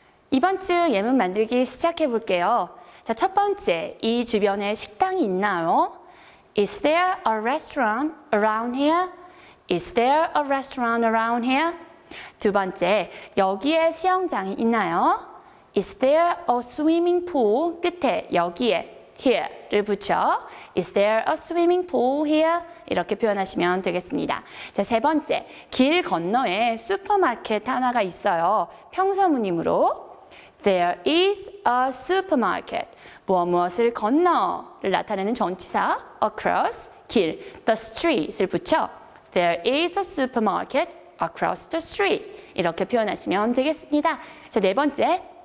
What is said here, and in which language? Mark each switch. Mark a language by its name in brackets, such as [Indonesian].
[Korean] 이번 주 예문 만들기 시작해 볼게요. 자, 첫 번째, 이 주변에 식당이 있나요? [English] Is there a restaurant around here? Is there a restaurant around here? [Korean] 두 번째, 여기에 수영장이 있나요? [English] Is there a swimming pool [Korean] 끝에 여기에 here를 붙여 [English] Is there a swimming pool here? [Korean] 이렇게 표현하시면 되겠습니다. 자, 세 번째, 길 건너에 슈퍼마켓 하나가 있어요. 평서문이므로 [English] There is a supermarket. [Korean] 무엇무엇을 건너를 나타내는 전치사 across 길 the street을 붙여 [English] There is a supermarket across the street. [Korean] 이렇게 표현하시면 되겠습니다. 자, 네 번째,